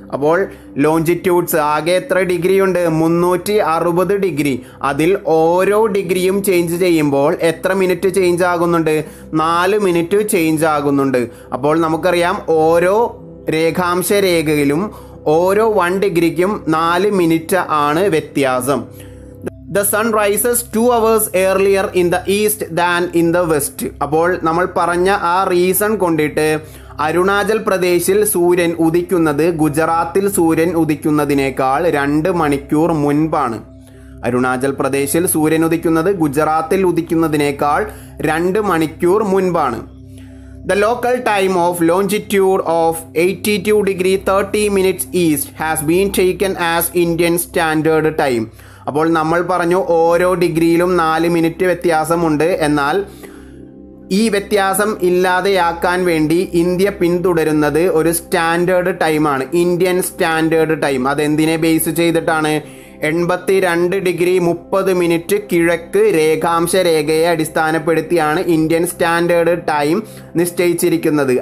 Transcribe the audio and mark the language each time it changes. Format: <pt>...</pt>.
<ml>അപ്പോൾ ലോഞ്ചിറ്റ്യൂഡ്സ് ആകെ എത്ര ഡിഗ്രിയുണ്ട്? 360 ഡിഗ്രി. അതിൽ ഓരോ ഡിഗ്രിയും ചേഞ്ച് ചെയ്യുമ്പോൾ എത്ര മിനിറ്റ് ചേഞ്ച് ആകുന്നുണ്ട്? 4 മിനിറ്റ് ചേഞ്ച് ആകുന്നുണ്ട്. അപ്പോൾ നമുക്കറിയാം ഓരോ രേഖാംശ രേഖയിലും ഓരോ 1 ഡിഗ്രിക്കും 4 മിനിറ്റ് ആണ് വ്യത്യാസം.</ml> <en>The sun rises 2 hours earlier in the east than in the west.</en> <ml>അപ്പോൾ നമ്മൾ പറഞ്ഞ ആ റീസൺ കൊണ്ടിട്ട് അരുണാചൽ പ്രദേശിൽ സൂര്യൻ ഉദിക്കുന്നത് ഗുജറാത്തിൽ സൂര്യൻ ഉദിക്കുന്നതിനേക്കാൾ 2 മണിക്കൂർ മുൻപാണ്. അരുണാചൽ പ്രദേശിൽ സൂര്യൻ ഉദിക്കുന്നത് ഗുജറാത്തിൽ ഉദിക്കുന്നതിനേക്കാൾ 2 മണിക്കൂർ മുൻപാണ്.</ml> <en>The local time of longitude of 82 degree 30 minutes east has been taken as Indian standard time.</en> <ml>അപ്പോൾ നമ്മൾ പറഞ്ഞു ഓരോ ഡിഗ്രിയിലും 4 മിനിറ്റ് വ്യത്യാസമുണ്ട്. എന്നാൽ ഈ വ്യത്യാസം ഇല്ലാതെയാക്കാൻ വേണ്ടി ഇന്ത്യ പിന്തുടരുന്നത് ഒരു സ്റ്റാൻഡേർഡ് ടൈമാണ്, ഇന്ത്യൻ സ്റ്റാൻഡേർഡ് ടൈം. അതെന്തിനെ ബേസ് ചെയ്തിട്ടാണ്? 82 ഡിഗ്രി 30 മിനിറ്റ് കിഴക്ക് രേഖാംശ രേഖയെ അടിസ്ഥാനപ്പെടുത്തിയാണ് ഇന്ത്യൻ സ്റ്റാൻഡേർഡ് ടൈം നിശ്ചയിച്ചിരിക്കുന്നത്.</ml>